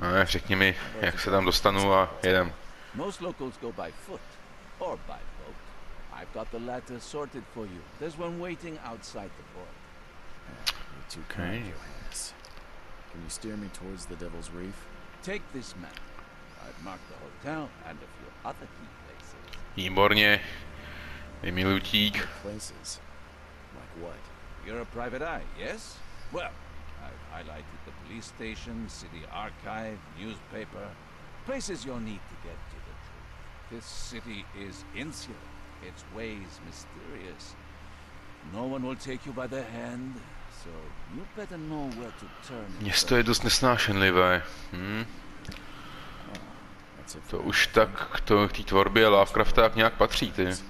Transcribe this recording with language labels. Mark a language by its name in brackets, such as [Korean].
[Czech] No, řekni mi, jak se tam dostanu a jedem. [English] Most locals go by foot or by boat. I've got the latter sorted for you. There's one waiting outside the port. You're too kind, Johannes. Can you steer me towards the Devil's Reef? Take this map. I've marked the hotel and a few other key places. [Czech] Výborně. Je mi lutík. [English] Like what? You're a private eye, yes? Well, I've highlighted the police station, city archive, newspaper. Places you'll need to get to the truth. This city is insular. Its ways mysterious. No one will take you by the hand, so you better know where to turn. [Czech] Město je dost nesnášenlivé. To už tak k té tvorbě Lovecrafta nějak patří, ty.